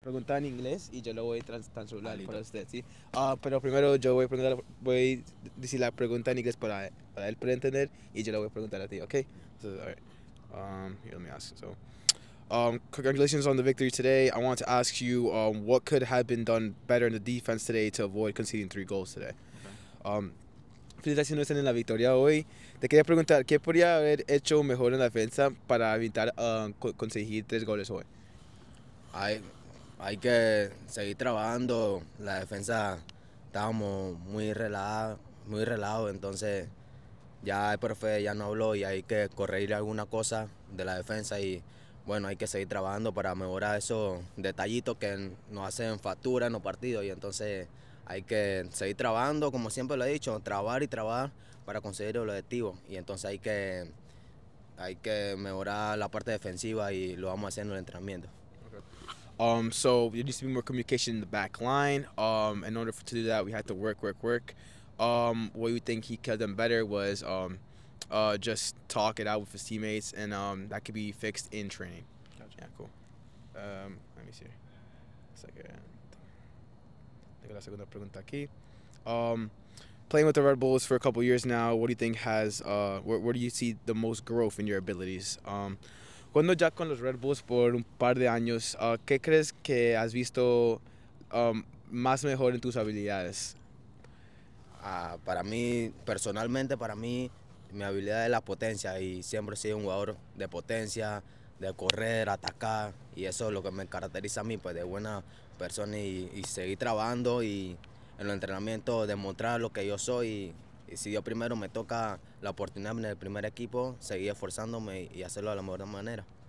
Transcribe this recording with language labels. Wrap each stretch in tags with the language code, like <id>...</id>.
<es>Pregunta en inglés y yo lo voy a translar para Alito. usted, ¿sí? Pero primero yo voy a preguntar, voy a decir la pregunta en inglés para él poder entender y yo lo voy a preguntar a ti, ¿ok? Entonces,</es> <en>all right. Here, let me ask. Congratulations on the victory today. I want to ask you what could have been done better in the defense today to avoid conceding three goals today.</en> <es>Felicitaciones en la victoria hoy. Te quería preguntar, ¿qué podría haber hecho mejor en la defensa para evitar conseguir tres goles hoy? Hay que seguir trabajando. La defensa estábamos muy relajados, entonces ya el profe ya no habló y hay que corregir alguna cosa de la defensa y bueno, hay que seguir trabajando para mejorar esos detallitos que nos hacen factura en los partidos y entonces hay que seguir trabajando, como siempre lo he dicho, trabajar y trabajar para conseguir el objetivo y entonces hay que mejorar la parte defensiva y lo vamos a hacer en el entrenamiento.</es> <en>So there needs to be more communication in the back line. In order to do that, we had to work. What we think he could have done better was just talk it out with his teammates, and that could be fixed in training. Gotcha. Yeah, cool. Let me see. Second.</en> <es>Tengo la segunda pregunta aquí.</es> <en>Playing with the Red Bulls for a couple years now, what do you think has where do you see the most growth in your abilities?</en> <es>Cuando ya con los Red Bulls por un par de años, ¿qué crees que has visto más mejor en tus habilidades? Para mí, personalmente, para mí, mi habilidad es la potencia y siempre he sido un jugador de potencia, de correr, atacar y eso es lo que me caracteriza a mí, pues de buena persona y seguir trabajando y en los entrenamientos demostrar lo que yo soy y si yo primero me toca la oportunidad en el primer equipo, seguir esforzándome y hacerlo de la mejor manera.</es>